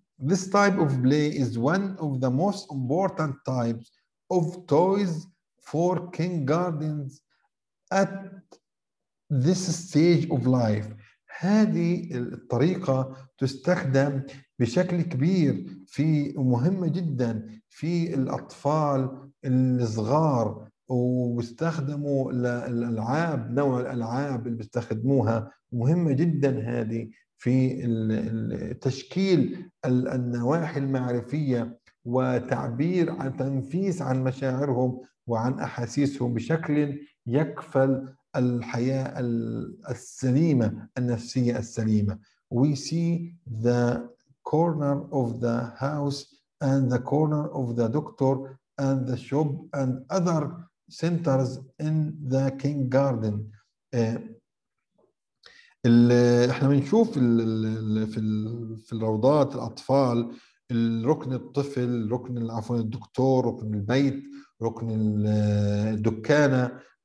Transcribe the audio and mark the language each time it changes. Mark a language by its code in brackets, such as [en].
[en] This type of play is one of the most important types of toys for kindergarten at this stage of life. [ar] هذه الطريقة تستخدم بشكل كبير في ومهمة جدا في الأطفال الصغار، واستخدموا للألعاب، نوع الألعاب اللي بيستخدموها مهمة جدا هذه في تشكيل النواحي المعرفية وتعبير عن تنفيس عن مشاعرهم وعن أحاسيسهم بشكل يكفل الحياة السليمة، النفسية السليمة. [en] We see the corner of the house and the corner of the doctor and the shop and other centers in the kindergarten. [ar] احنا بنشوف في الروضات الأطفال، الركن الطفل، ركن عفوا الدكتور، ركن البيت، ركن الدكانة.